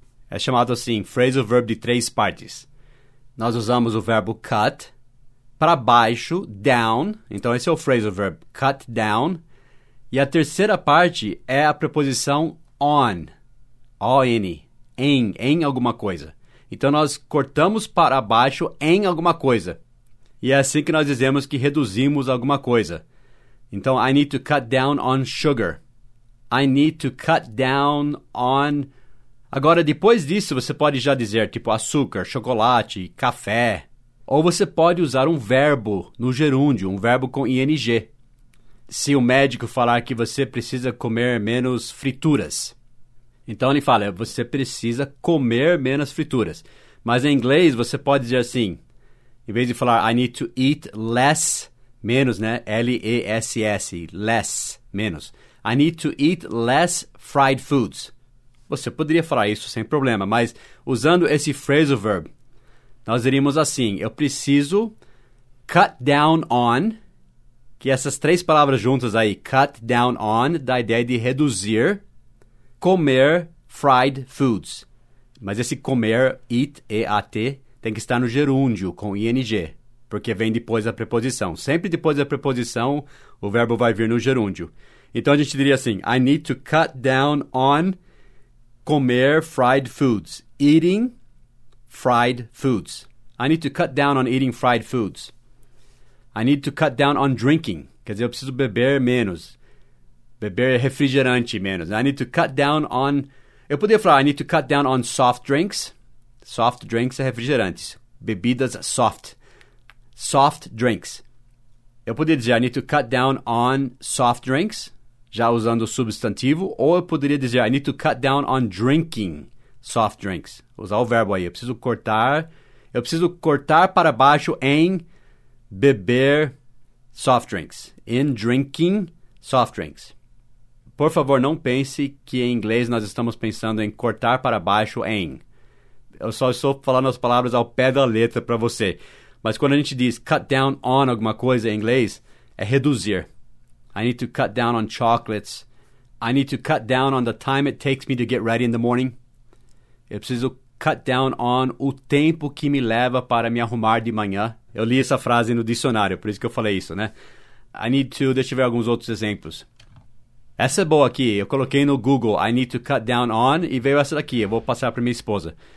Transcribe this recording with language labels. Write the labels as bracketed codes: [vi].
[pt] É chamado assim, phrasal verb de três partes. Nós usamos o verbo cut para baixo, down, então esse é o phrasal verb, cut down. E a terceira parte é a preposição on, O-N, em alguma coisa. Então, nós cortamos para baixo em alguma coisa. E é assim que nós dizemos que reduzimos alguma coisa. [en] Então, I need to cut down on sugar. I need to cut down on... [pt] Agora, depois disso, você pode já dizer, tipo, açúcar, chocolate, café. Ou você pode usar um verbo no gerúndio, um verbo com ing. Se o médico falar que você precisa comer menos frituras. Então, ele fala, você precisa comer menos frituras. Mas, em inglês, você pode dizer assim, em vez de falar, [en] I need to eat less, [pt] menos, né? L-E-S-S, less, menos. [en] I need to eat less fried foods. [pt] Você poderia falar isso sem problema, mas usando esse phrasal verb, nós diríamos assim, eu preciso cut down on... Que essas três palavras juntas aí, cut down on, dá a ideia de reduzir, comer fried foods. Mas esse comer, eat, E-A-T, tem que estar no gerúndio com ing, porque vem depois da preposição. Sempre depois da preposição, o verbo vai vir no gerúndio. Então, a gente diria assim, [en] I need to cut down on [pt] comer [en] fried foods, eating fried foods. I need to cut down on eating fried foods. I need to cut down on drinking. [pt] Quer dizer, eu preciso beber menos. Beber refrigerante menos. [en] I need to cut down on... [pt] Eu poderia falar, [en] I need to cut down on soft drinks. Soft drinks [pt] é refrigerantes. Bebidas [en] soft. Soft drinks. [pt] Eu poderia dizer, [en] I need to cut down on soft drinks. [pt] já usando o substantivo, ou eu poderia dizer, [en] I need to cut down on drinking soft drinks. [pt] Vou usar o verbo aí, eu preciso cortar para baixo em beber soft drinks, [en] in drinking soft drinks. [pt] Por favor, não pense que em inglês nós estamos pensando em cortar para baixo em. Eu só estou falando as palavras ao pé da letra para você. Mas quando a gente diz cut down on alguma coisa em inglês, é reduzir. [en] I need to cut down on chocolates. I need to cut down on the time it takes me to get ready in the morning. [pt] Eu preciso cut down on o tempo que me leva para me arrumar de manhã. Eu li essa frase no dicionário, por isso que eu falei isso, né? [en] I need to... [pt] Deixa eu ver alguns outros exemplos. Essa é boa aqui. Eu coloquei no Google, I need to cut down on, e veio essa daqui. Eu vou passar para minha esposa.